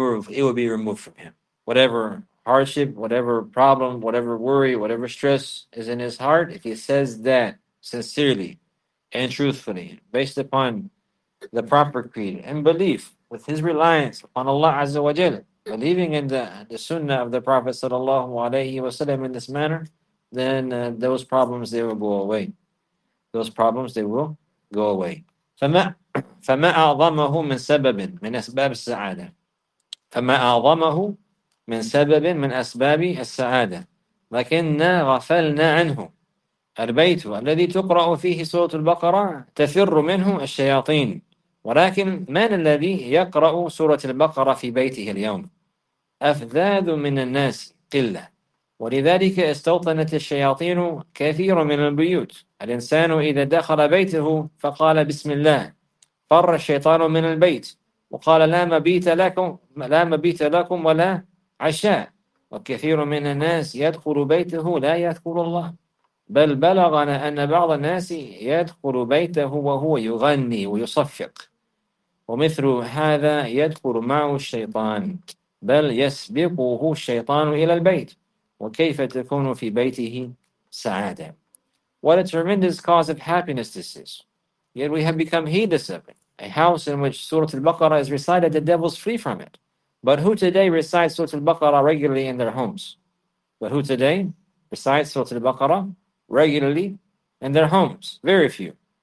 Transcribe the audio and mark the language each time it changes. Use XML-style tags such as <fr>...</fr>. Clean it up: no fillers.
<en>It will be removed from him. Whatever hardship, whatever problem, whatever worry, whatever stress is in his heart, if he says that sincerely and truthfully, based upon the proper creed and belief, with his reliance upon Allah Azza wa Jal, believing in the sunnah of the Prophet sallallahu alayhi wa sallam in this manner, then those problems, they will go away. Those problems, they will go away.</en> <ar>فَمَا أَعْظَمَهُ مِنْ سَبَبٍ مِنْ أَسْبَابِ السَّعَادَةِ فَمَا أَعْظَمَهُ من سبب من أسباب السعادة لكننا غفلنا عنه البيت الذي تقرأ فيه سورة البقرة تفر منه الشياطين ولكن من الذي يقرأ سورة البقرة في بيته اليوم أفذاذ من الناس قلة ولذلك استوطنت الشياطين كثير من البيوت الإنسان إذا دخل بيته فقال بسم الله فر الشيطان من البيت وقال لا مبيت لكم ولا عشاء وكثير من الناس يدخل بيته لا يذكر الله بل بلغنا أن بعض الناس يدخل بيته وهو يغني ويصفق ومثل هذا يدخل معه الشيطان بل يسبقه الشيطان إلى البيت وكيف تكون في بيته سعادة.</ar> <en>What a tremendous cause of happiness this is. Yet we have become heedless of it. A house in which Surah Al-Baqarah is recited, the devils flee from it. But who today recites Surah Al-Baqarah regularly in their homes? But who today recites Surah Al-Baqarah regularly in their homes? Very few.</en>